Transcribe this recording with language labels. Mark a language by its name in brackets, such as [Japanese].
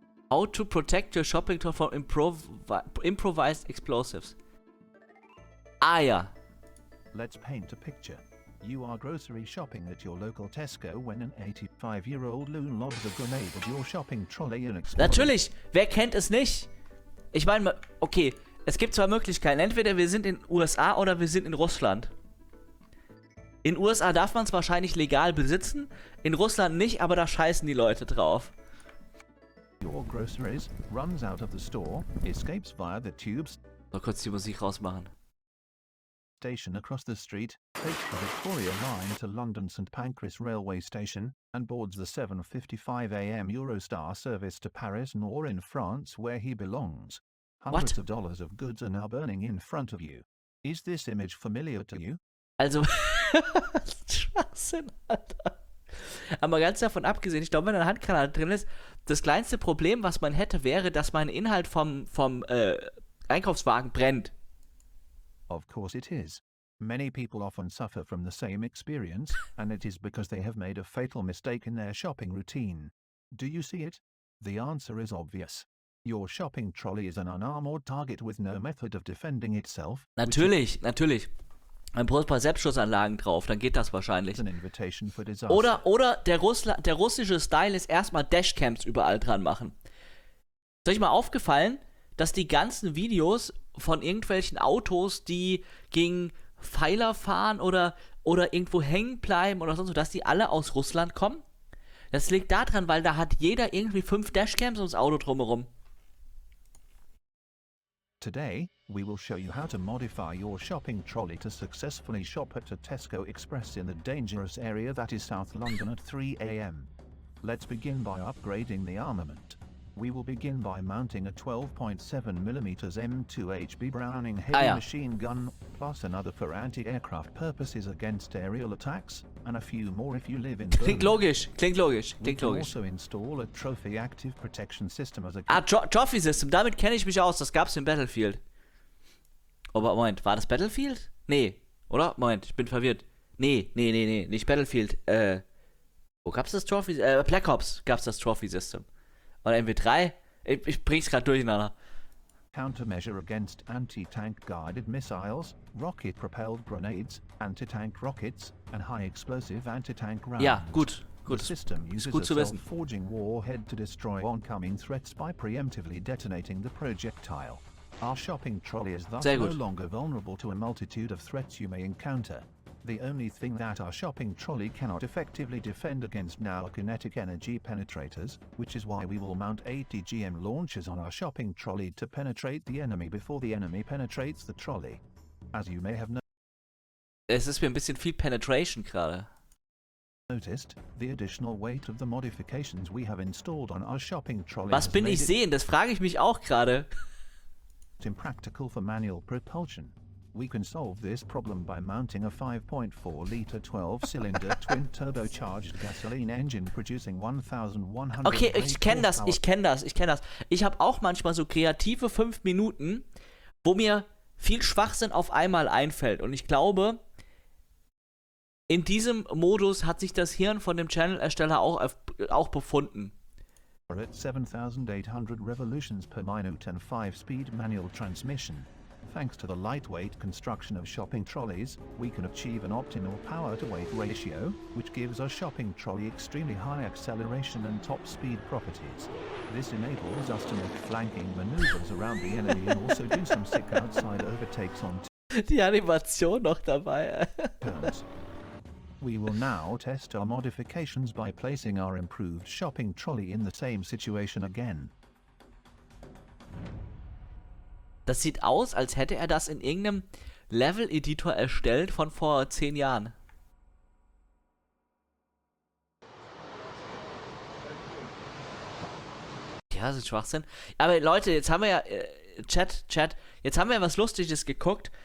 [English] How to protect your shopping cart from improvised explosives. [German] Ah ja. [English] Let's paint a picture. You are grocery shopping at your local Tesco when an 85-year-old loon lobs a grenade at your shopping trolley and explodes. [German] Natürlich, wer kennt es nicht? Ich meine, okay, es gibt zwei Möglichkeiten. Entweder wir sind in USA oder wir sind in Russland. In USA darf man es wahrscheinlich legal besitzen, in Russland nicht, aber da scheißen die Leute drauf. [English] Your groceries runs out of the store, escapes via the tubes. [German] So, kurz die Musik rausmachen. [English] Station across the street, takes the Victoria line to London St. Pancras Railway Station, and boards the 7:55 a.m. Eurostar service to Paris Nord in France, where he belongs. Hundreds what? Of dollars of goods are now burning in front of you. Is this image familiar to you? [German] Also, Schwachsinn, Alter. Aber ganz davon abgesehen, ich glaube, wenn eine Handgranate drin ist, das kleinste Problem, was man hätte, wäre, dass mein Inhalt vom Einkaufswagen brennt. [English] Of course it is. Many people often suffer from the same experience, and it is because they have made a fatal mistake in their shopping routine. Do you see it? The answer is obvious. Your shopping trolley is an unarmored target with no method of defending itself. [German] Natürlich, natürlich. Ein paar Selbstschussanlagen drauf, dann geht das wahrscheinlich. [English] An invitation for disaster. [German] Oder der russische Style ist erstmal Dashcams überall dran machen. Ist euch mal aufgefallen, dass die ganzen Videos von irgendwelchen Autos, die gegen Pfeiler fahren oder irgendwo hängen bleiben oder sonst so, dass die alle aus Russland kommen? Das liegt daran, weil da hat jeder irgendwie 5 Dashcams ums Auto drumherum. [English] Today, we will show you how to modify your shopping trolley to successfully shop at a Tesco Express in the dangerous area that is South London at 3 a.m. Let's begin by upgrading the armament. We will begin by mounting a 12.7mm M2HB Browning heavy machine gun, plus another for anti-aircraft purposes against aerial attacks, and a few more if you live in Berlin. [German] Klingt logisch. [English] Also install a trophy active protection system as a... [German] Trophy system, damit kenne ich mich aus, das gab's in Battlefield. Aber Moment, war das Battlefield? Nee, oder? Moment, ich bin verwirrt. Nee, nicht Battlefield. Wo gab's das Trophy... Black Ops gab's das Trophy system. Oder MW3? Ich bring's gerade durcheinander. [English] Countermeasure against anti-tank guided missiles, rocket-propelled grenades, anti-tank rockets, and high-explosive anti-tank rounds. [German] Ja, gut. [English] The system uses a self-forging warhead to destroy oncoming threats by preemptively detonating the projectile. Our shopping trolley is thus no longer vulnerable to a multitude of threats you may encounter. The only thing that our shopping trolley cannot effectively defend against now are kinetic energy penetrators, which is why we will mount 80 GM launchers on our shopping trolley to penetrate the enemy before the enemy penetrates the trolley. As you may have noticed, [German] es ist mir ein bisschen viel penetration gerade. [English] Noticed the additional weight of the modifications we have installed on our shopping trolley. [German] Was bin ich sehen? Das frage ich mich auch gerade. [English] It's impractical for manual propulsion. We can solve this problem by mounting a 5.4-liter 12-cylinder twin-turbocharged gasoline engine producing 1,100. [German] Okay, ich kenne das. Ich habe auch manchmal so kreative 5 Minuten, wo mir viel Schwachsinn auf einmal einfällt. Und ich glaube, in diesem Modus hat sich das Hirn von dem Channel-Ersteller auch befunden. [English] At 7,800 revolutions per minute and 5-speed manual transmission. Thanks to the lightweight construction of shopping trolleys, we can achieve an optimal power-to-weight ratio, which gives our shopping trolley extremely high acceleration and top speed properties. This enables us to make flanking maneuvers around the enemy and also do some sick outside overtakes on [German] die Animation noch dabei. [English] We will now test our modifications by placing our improved shopping trolley in the same situation again. [German] Das sieht aus, als hätte er das in irgendeinem Level-Editor erstellt von vor 10 Jahren. Ja, das ist Schwachsinn. Aber Leute, jetzt haben wir ja... Chat, jetzt haben wir was Lustiges geguckt.